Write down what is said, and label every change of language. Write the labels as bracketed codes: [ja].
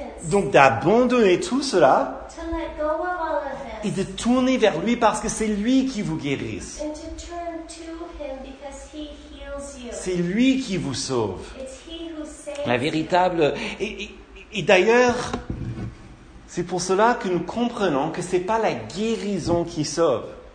[fr] Donc d'abandonner tout cela. [en] To let go of all of this. [fr] Et de tourner vers lui parce que c'est lui qui vous guérisse. [en] And to turn to him because he heals you. [fr] C'est lui qui vous sauve. [en] It's he who saves. [fr] La véritable... Et d'ailleurs, c'est pour cela que nous comprenons que ce n'est pas la guérison qui sauve.